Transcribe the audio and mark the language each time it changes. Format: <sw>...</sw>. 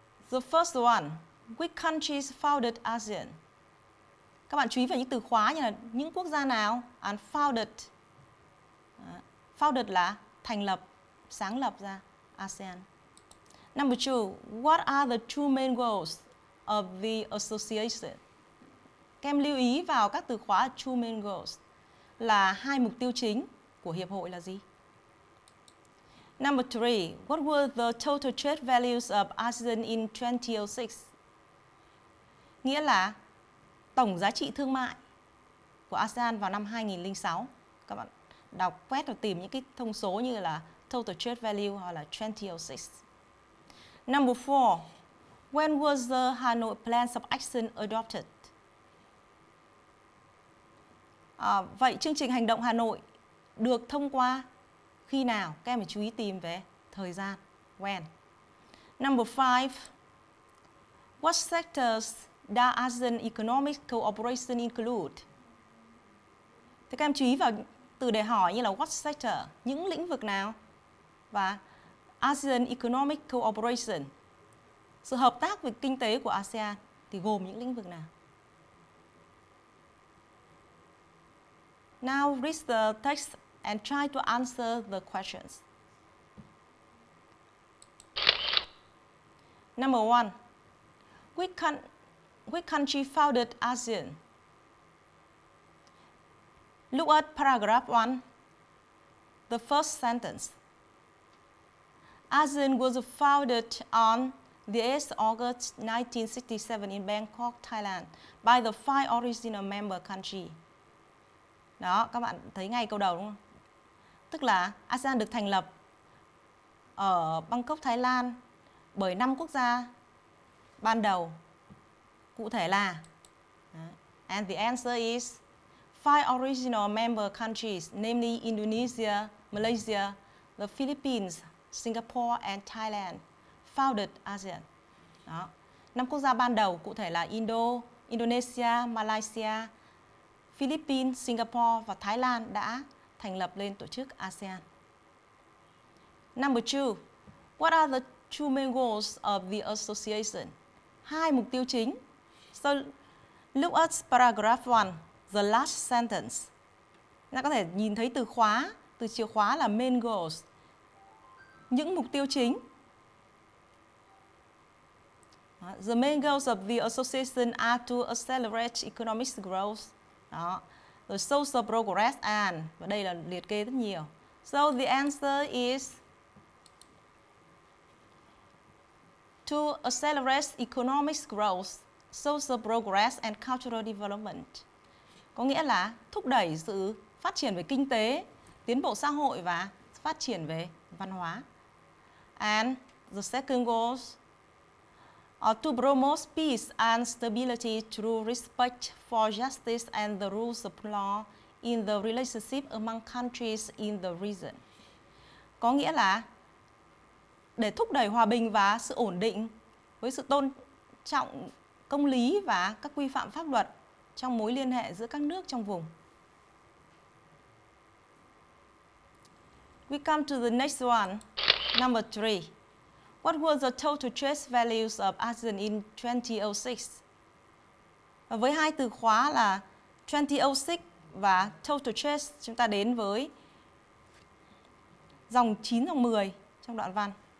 <en>The first one, which countries founded ASEAN?</en> <vi>Các bạn chú ý vào những từ khóa như là những quốc gia nào</vi> <en>and founded.</en> <vi>Founded là thành lập, sáng lập ra ASEAN.</vi> <en>Number two, what are the two main goals of the association?</en> <vi>Các em lưu ý vào các từ khóa</vi> <en>two main goals</en> <vi>là hai mục tiêu chính của hiệp hội là gì?</vi> <en>Number three, what were the total trade values of ASEAN in 2006?</en> <vi>Nghĩa là tổng giá trị thương mại của ASEAN vào năm 2006. Các bạn đọc quét và tìm những cái thông số như là</vi> <en>total trade value</en> <vi>hoặc là 2006.</vi> <en>Number four, when was the Hanoi Plans of Action adopted?</en> <vi>Vậy chương trình hành động Hà Nội được thông qua khi nào? Các em phải chú ý tìm về thời gian, when.</vi> <en>Number five, what sectors does ASEAN economic cooperation include?</en> <vi>Thì các em chú ý vào từ để hỏi như là</vi> <en>what sector,</en> <vi>những lĩnh vực nào? Và</vi> <en>ASEAN economic cooperation,</en> <vi>sự hợp tác về kinh tế của ASEAN thì gồm những lĩnh vực nào?</vi> <en>Now read the text and try to answer the questions. Number one, which country founded ASEAN? Look at paragraph one, the first sentence. ASEAN was founded on the 8th August 1967 in Bangkok, Thailand by the five original member countries.</en> <vi>Đó, các bạn thấy ngay câu đầu đúng không? Tức là ASEAN được thành lập ở Bangkok, Thái Lan bởi 5 quốc gia ban đầu. Cụ thể là</vi> <en>and the answer is five original member countries, namely Indonesia, Malaysia, the Philippines, Singapore and Thailand founded ASEAN.</en> <vi>Đó, 5 quốc gia ban đầu cụ thể là Indonesia, Malaysia, Philippines, Singapore và Thái Lan đã thành lập lên tổ chức ASEAN.</vi> <en>Number two, what are the two main goals of the association?</en> <vi>Hai mục tiêu chính.</vi> <en>So, look at paragraph one, the last sentence.</en> <vi>Các có thể nhìn thấy từ khóa, từ chìa khóa là</vi> <en>main goals.</en> <vi>Những mục tiêu chính.</vi> <en>The main goals of the association are to accelerate economic growth.</en> <vi>Đó,</vi> <en>the social progress and,</en> <vi>và đây là liệt kê rất nhiều.</vi> <en>So the answer is to accelerate economic growth, social progress and cultural development.</en> <vi>Có nghĩa là thúc đẩy sự phát triển về kinh tế, tiến bộ xã hội và phát triển về văn hóa.</vi> <en>And the second goals to promote peace and stability through respect for justice and the rules of law in the relationship among countries in the region.</en> <vi>Có nghĩa là để thúc đẩy hòa bình và sự ổn định với sự tôn trọng công lý và các quy phạm pháp luật trong mối liên hệ giữa các nước trong vùng.</vi> <en>We come to the next one, number three. What were the total trade values of ASEAN in 2006?</en> <vi>Và với hai từ khóa là 2006 và</vi> <en>total trade,</en> <vi>chúng ta đến với dòng 9 dòng 10 trong đoạn văn.</vi>